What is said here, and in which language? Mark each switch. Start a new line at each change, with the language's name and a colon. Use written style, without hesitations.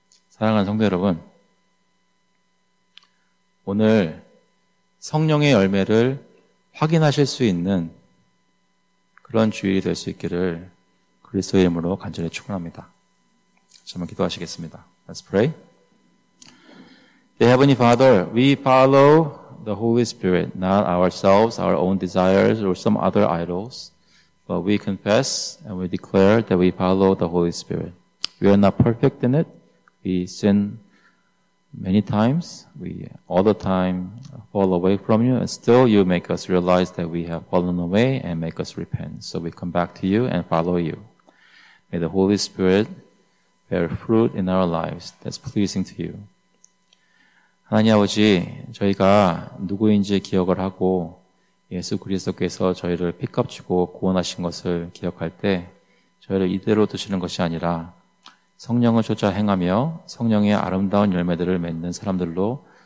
Korean: 사랑하는 성도 여러분, 오늘 성령의 열매를 확인하실 수 있는 그런 주일이 될 수 있기를 그리스도의 이름으로 간절히 축원합니다. 잠시만 기도하시겠습니다.
English: Let's pray. The Heavenly Father, we follow the Holy Spirit, not ourselves, our own desires, or some other idols, but we confess and we declare that we follow the Holy Spirit. We are not perfect in it. We sin many times. We all the time fall away from you, and still you make us realize that we have fallen away and make us repent. So we come back to you and follow you. May the Holy Spirit bear fruit in our lives that's pleasing to you.
Korean: 하나님 아버지, 저희가 누구인지 기억을 하고 예수 그리스도께서 저희를 픽업 주고 구원하신 것을 기억할 때 저희를 이대로 두시는 것이 아니라 성령을 쫓아 행하며 성령의 아름다운 열매들을 맺는 사람들로